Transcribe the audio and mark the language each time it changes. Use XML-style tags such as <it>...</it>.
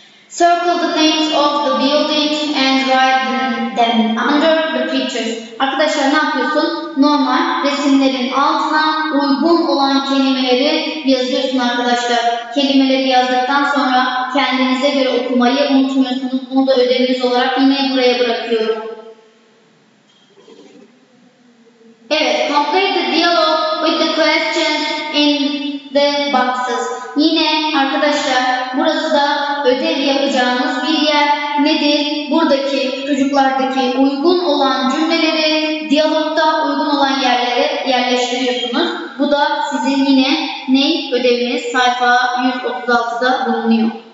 <en>Circle the names of the buildings and write them under the pictures.</en> <tr>Arkadaşlar ne yapıyorsun? Normal resimlerin altına uygun olan kelimeleri yazıyorsun arkadaşlar. Kelimeleri yazdıktan sonra kendinize göre okumayı unutmuyorsunuz. Bunu da ödeviniz olarak yine buraya bırakıyorum.</tr> <en>Evet, complete the dialogue with the questions in the boxes.</en> <tr>Yine arkadaşlar, burası da ödev yapacağınız bir yer. Nedir? Buradaki çocuklardaki uygun olan cümleleri, diyalogda uygun olan yerlere yerleştiriyorsunuz. Bu da sizin yine ne ödeviniz? Sayfa 136'da bulunuyor.</tr>